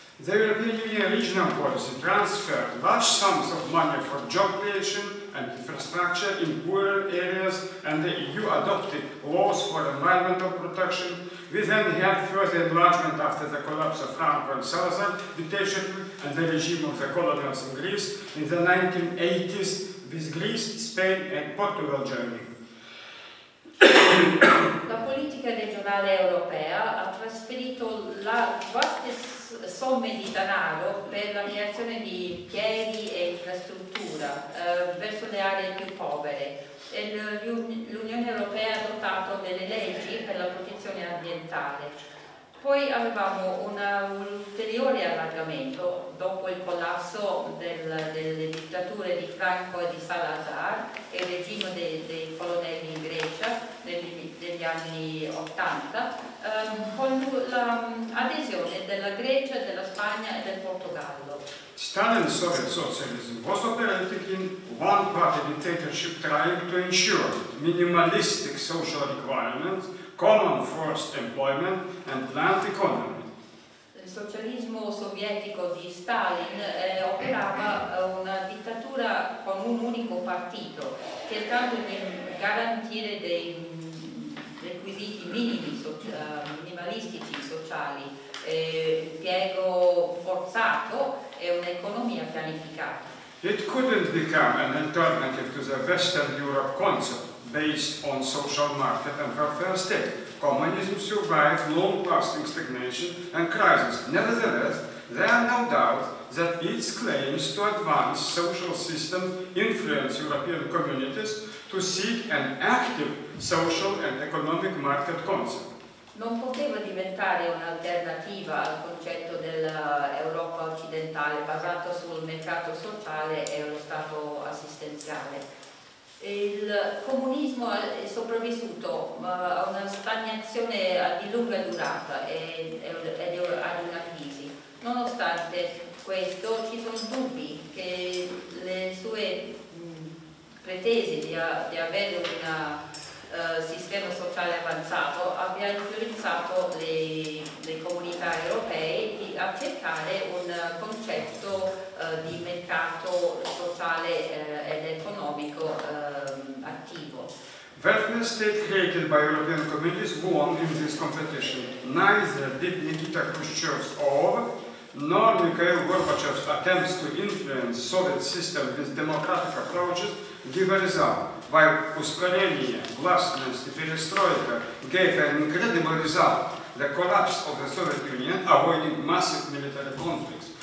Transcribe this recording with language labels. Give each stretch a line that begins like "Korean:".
English: The European Union regional policy transferred large sums of money for job creation and infrastructure in poorer areas, and the EU adopted laws for environmental protection. We then had further enlargement after the collapse of Franco and Salazar dictatorship and the regime of the colonials in Greece in the 1980s, with Greece, Spain and Portugal joining.
Italian: La politica regionale europea ha trasferito la vaste somme di denaro per la creazione di impieghi e infrastruttura verso le aree più povere. L'Unione Europea ha adottato delle leggi per la protezione ambientale. Poi avevamo un ulteriore allargamento dopo il collasso del dittature di Franco e di Salazar e il regime dei, dei colonnelli in Grecia degli anni 80, con l'adesione della Grecia, della Spagna e del Portogallo.
English: Stalin saw his socialism was operating in one-party dictatorship trying to ensure minimalistic social requirements, common forced employment and planned economy.
Italian: Il socialismo sovietico di Stalin operava una dittatura con un unico partito, cercando di garantire dei requisiti minimi, minimalistici sociali, impiego forzato e un'economia pianificata.
English: It couldn't become an alternative to the Western Europe concept based on social market and welfare state. Communism survived long-lasting stagnation and crisis. Nevertheless, there are no doubts that its claims to advance social systems influence European communities to seek an active social and economic market concept.
Italian: Non poteva diventare un'alternativa al concetto dell'Europa occidentale basato sul mercato sociale e lo stato assistenziale. Il comunismo è sopravvissuto a una stagnazione di lunga durata ed ad una crisi. Nonostante questo, ci sono dubbi che le sue pretese di avere un sistema sociale avanzato abbia influenzato le comunità europee a cercare un concetto di mercato sociale ed economico attivo.
English: Welfare state created by European communities won in this competition. Neither did Nikita Khrushchev's or nor Mikhail Gorbachev's attempts to influence Soviet system with democratic approaches give a result. While
Russian: ускорение, гласность и перестройка
English: gave an incredible result, the collapse of the Soviet Union avoided massive military conflicts.